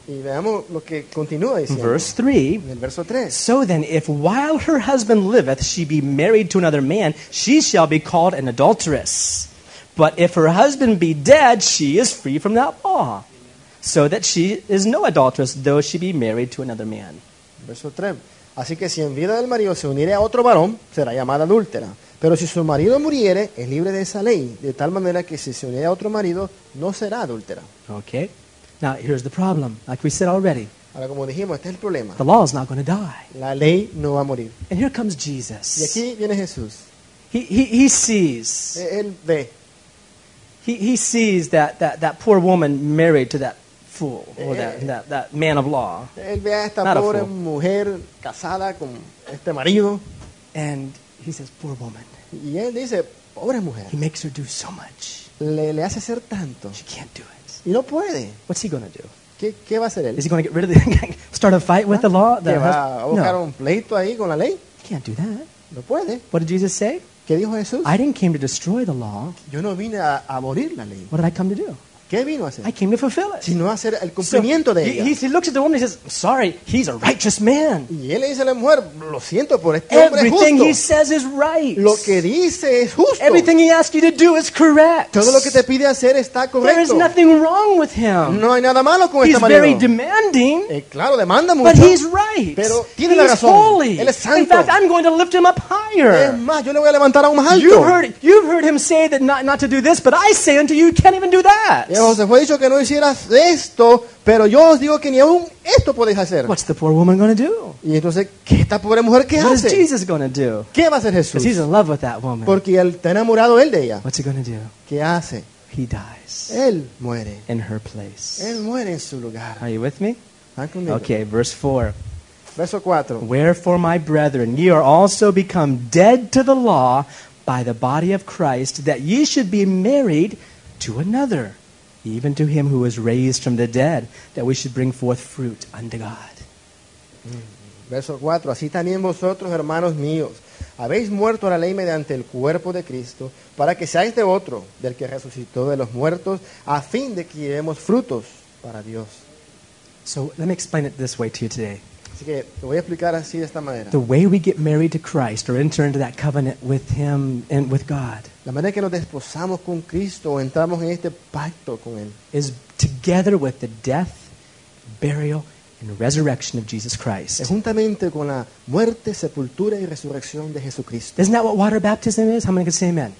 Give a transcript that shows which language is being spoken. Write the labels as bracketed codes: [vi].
[es] Y veamos lo que continúa diciendo. [en] Verse 3. [es] En el verso 3. [en] So then, if while her husband liveth, she be married to another man, she shall be called an adulteress. But if her husband be dead, she is free from that law. So that she is no adulteress, though she be married to another man. [es] Verso 3. Así que si en vida del marido se uniere a otro varón, será llamada adúltera. Pero si su marido muriere, es libre de esa ley, de tal manera que si se uniere a otro marido, no será adúltera. [en] Okay. Now, here's the problem. Like we said already. [es] Ahora, como dijimos, este es el problema. [en] The law is not going to die. [es] La ley no va a morir. [en] And here comes Jesus. [es] Y aquí viene Jesús. [en] He sees. [es] Él ve. [en] He sees that poor woman married to that fool, or that man of law. [es] Él ve a esta pobre mujer casada con este marido. [en] And he says, poor woman. [es] Y él dice, pobre mujer. [en] He makes her do so much. [es] Le hace hacer tanto. [en] She can't do it. [es] Y no puede. [en] What's he going to do? [es] ¿Qué va a hacer él? [en] Is he going to get rid of the gang? Start a fight with the law? [es] ¿Que va a buscar un pleito ahí con la ley? [en] He can't do that. [es] No puede. [en] What did Jesus say? [es] ¿Qué dijo Jesús? [en] I didn't came to destroy the law. [es] Yo no vine a abolir la ley. [en] What did I come to do? [es] ¿Qué vino a hacer? [en] I came to fulfill it. [es] Sino hacer el cumplimiento [en] so, [es] de ella. [en] He looks at the woman and says, sorry, he's a righteous man. [es] Y él le dice a la mujer, lo siento por este [en] Everything [es] hombre justo. [en] He says is right. [es] Lo que dice es justo. [en] Everything he asks you to do is correct. [es] Todo lo que te pide hacer está correcto. [en] There is nothing wrong with him. [es] No hay nada malo con [en] he's [es] esta [en] very [es] manera. [en] Demanding. [es] Claro, demanda mucho. [en] But he's right. [es] Pero tiene [en] he's [es] la razón. [en] Holy. [es] Él es santo. [en] In fact, I'm going to lift him up higher. [es] Es más, yo le voy a levantar aún más alto. [en] You've heard him say that not to do this, but I say unto you, you can't even do that. [es] Se fue dicho que no hicieras esto, pero yo os digo que ni aún esto podéis hacer. [en] What's the poor woman going to do? [es] Y entonces, ¿qué esta pobre mujer qué [en] What [es] hace? [en] What is Jesus going to do? [es] ¿Qué va a hacer Jesús? [en] Because he's in love with that woman. [es] Porque él está enamorado él de ella. [en] What's he going to do? [es] ¿Qué hace? [en] He dies. [es] Él muere. [en] In her place. [es] Él muere en su lugar. [en] Are you with me? [es] ¿Están conmigo? [en] Okay, verse 4. [es] Verso 4. [en] Wherefore, my brethren, ye are also become dead to the law by the body of Christ, that ye should be married to another. Even to him who was raised from the dead, that we should bring forth fruit unto God. [es] Verso 4. Así también vosotros, hermanos míos, habéis muerto a la ley mediante el cuerpo de Cristo, para que seáis de otro, del que resucitó de los muertos, a fin de que llevemos frutos para Dios. [en] So, let me explain it this way to you today. [es] Así que, lo voy a explicar así de esta manera. [en] The way we get married to Christ, or enter into that covenant with him and with God, [es] la manera que nos desposamos con Cristo o entramos en este pacto con Él [en] is together with the death, burial, and resurrection of Jesus Christ. [es] Es juntamente con la muerte, sepultura y resurrección de Jesucristo. [en] Isn't that what water baptism is? How many can say amen?